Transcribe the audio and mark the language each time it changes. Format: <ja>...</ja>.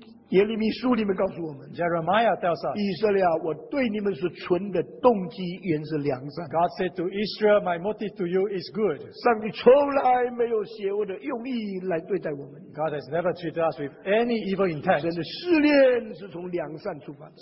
<zh>耶利米书里面告诉我们，</zh> <en>Jeremiah tells us，</en> <zh>以色列啊，我对你们是纯的动机原是良善。</zh> <en>God said to Israel， My motive to you is good。</en> <zh>上帝从来没有邪恶的用意来对待我们。</zh> <en>God has never treated us with any evil intent。</en> <zh>真的试炼是从良善出发的。</zh>